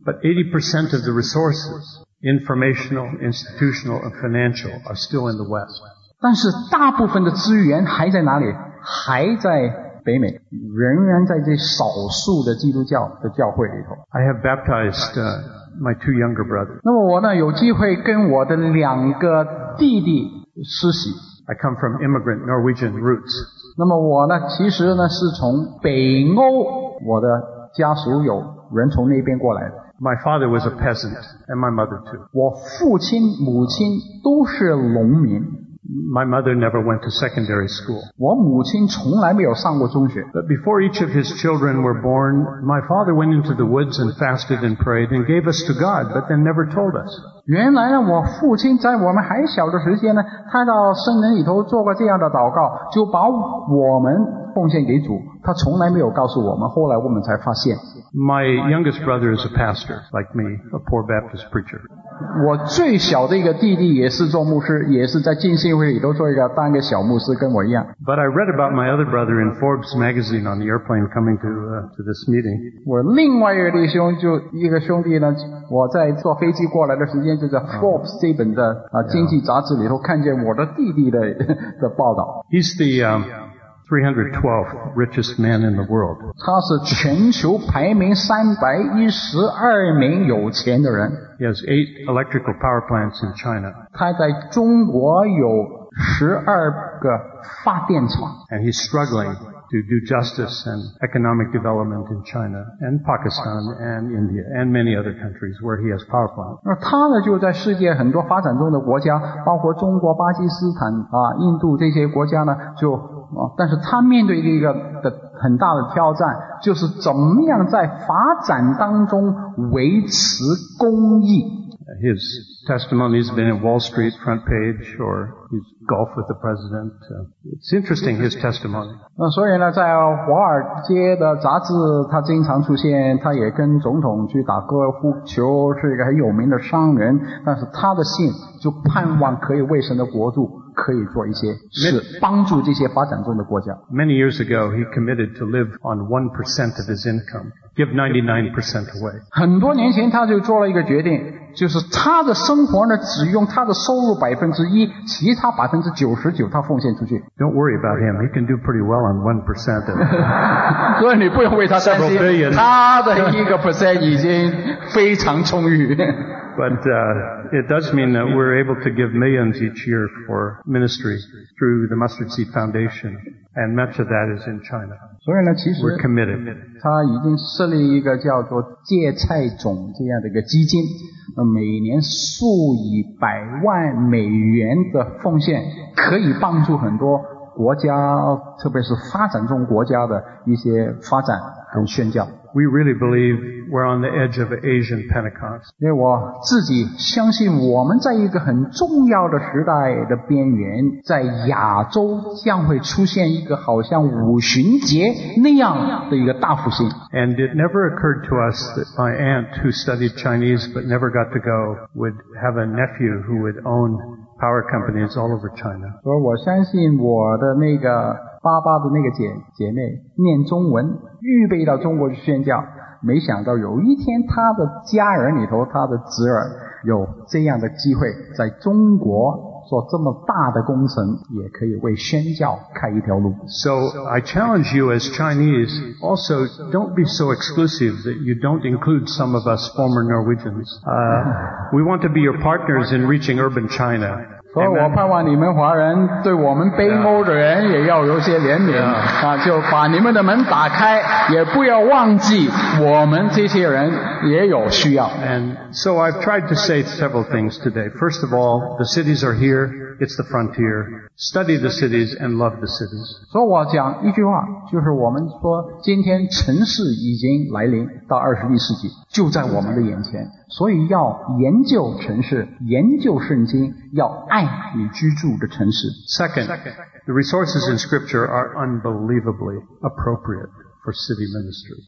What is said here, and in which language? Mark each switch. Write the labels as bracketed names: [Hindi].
[English] But 80% of the resources... informational, institutional, and financial are still in the West. [Chinese] 但是大部分的资源还在哪里？还在北美，仍然在这少数的基督教的教会里头。 [English] I have baptized my two younger brothers. [Chinese] 那么我呢，有机会跟我的两个弟弟施洗。 [English] I come from immigrant Norwegian roots. [Chinese] 那么我呢，其实呢，是从北欧，我的家属有人从那边过来的。 [English] My father was a peasant, and my mother too. [Chinese] 我父亲、母亲都是农民。 [English] My mother never went to secondary school. [Chinese] 我母亲从来没有上过中学。 [English] But before each of his children were born, my father went into the woods and fasted and prayed and gave us to God, but then never told us. [Chinese] 原来呢，我父亲在我们还小的时间呢，他到森林里头做过这样的祷告，就把我们奉献给主，他从来没有告诉我们，后来我们才发现。 [English] My youngest brother is a pastor, like me, a poor Baptist preacher. [Chinese] 我最小的一个弟弟也是做牧师，也是在浸信会里头做一个当个小牧师，跟我一样。 [English] But I read about my other brother in Forbes magazine on the airplane coming to this meeting. [Chinese] 我另外一个弟兄就一个兄弟呢，我在坐飞机过来的时间，就在 Forbes 这本的经济杂志里头看见我的弟弟的报道。 [English] He's the 312th richest man in the world. [Chinese] 他是全球排名312名有钱的人。 [English] He has 8 electrical power plants in China. [Chinese] 他在中国有12个发电厂。 [English] And he's struggling to do justice and economic development in China and Pakistan and India and many other countries where he has power plant. [Chinese] 那他呢就在世界很多发展中的国家，包括中国、巴基斯坦啊、印度这些国家呢，就啊，但是他面对的一个的很大的挑战，就是怎么样在发展当中维持公益。 [English] His testimony has been in Wall Street front page or his golf with the president. It's interesting, his testimony. [Chinese] 那所以呢，在华尔街的杂志，他经常出现，他也跟总统去打高尔夫球，是一个很有名的商人。但是他的信就盼望可以为神的国度可以做一些事，帮助这些发展中的国家。 [English] Many years ago, he committed to live on 1% of his income. Give 99% away. [Chinese] 很多年前他就做了一个决定，就是他的生活呢只用他的收入 1%， 其他 99% 他奉献出去。 [English] Don't worry about him, he can do pretty well on 1% of it. [Chinese] 所以你不用为他担心，他的1% 已经非常充裕。 [English] But it does mean that we're able to give millions each year for ministry through the Mustard Seed Foundation, and much of that is in China. [Chinese] 所以呢，其实 [English] we're committed. [Chinese] 他已经设立一个叫做芥菜种这样的一个基金，每年数以百万美元的奉献，可以帮助很多国家，特别是发展中国家的一些发展和宣教。 [English] We really believe we're on the edge of Asian Pentecost. [Chinese] 因为我自己相信我们在一个很重要的时代的边缘，在亚洲将会出现一个好像五旬节那样的一个大复兴。 [English] And it never occurred to us that my aunt who studied Chinese but never got to go would have a nephew who would own power companies all over China. [Chinese] 所以我相信我的那个爸爸的那个 姐妹念中文预备到中国去宣教，没想到有一天他的家人里头他的侄儿有这样的机会在中国做这么大的工程，也可以为宣教开一条路。 [English] So I challenge you as Chinese, also don't be so exclusive that you don't include some of us former Norwegians. We want to be your partners in reaching urban China. [Chinese] 所以我盼望你们华人对我们北欧的人也要有些怜悯，就把你们的门打开，也不要忘记我们这些人也有需要。 [English] And so I've tried to say several things today. First of all, the cities are here, it's the frontier. Study the cities and love the cities. [Chinese] 所以我讲一句话，就是我们说今天城市已经来临到21世纪，就在我们的眼前，所以要研究城市，研究圣经，要爱你居住的城市。 [English] Second, the resources in scripture are unbelievably appropriate for city ministry.